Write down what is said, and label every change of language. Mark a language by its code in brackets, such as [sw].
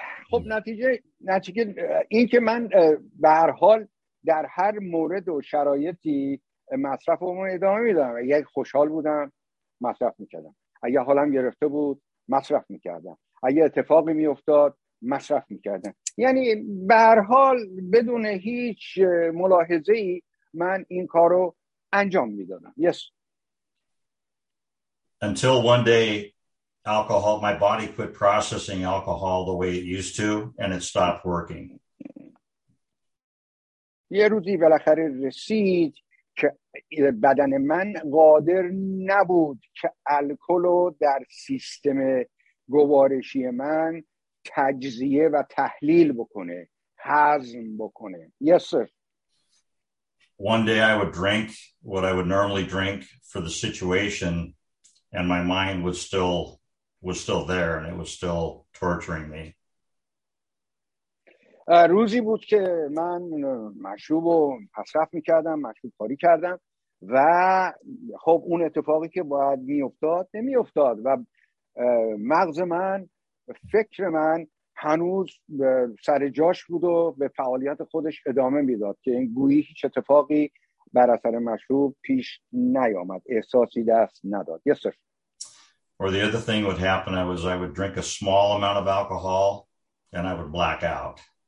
[fa] خب نتیجه این که من به هر حال در هر مورد و شرایطی مصرف رو ادامه میدادم، اگه خوشحال بودم مصرف میکردم، اگه حالم گرفته بود مصرف میکردم، اگه اتفاقی میافتاد مصرف میکردم، یعنی به هر حال بدون هیچ ملاحظه‌ای من این کارو انجام میدادم. [en] Yes. Until one day alcohol, my body quit processing alcohol the way it used to, and it stopped working. [fa] یه روزی بالاخره رسید که بدن من قادر نبود که الکلو در سیستم گوارشی من تجزیه و تحلیل بکنه، هضم بکنه. [en] Yes, sir. One day I would drink what I would normally drink for the situation, and my mind was still there, and it was still torturing me. [fa] روزی بود که من مشروب و مصرف میکردم، مشروب خوری کردم، و خب اون اتفاقی که باید میافتاد نمیافتاد، و مغز من، فکر من هنوز سر جاش بود و به فعالیت خودش ادامه میداد که این گویی هیچ اتفاقی بر اثر مشروب پیش نیامد، احساسی دست نداد. [en] Yes, sir. Or the other thing would happen was I would drink a small amount of alcohol and I would black out.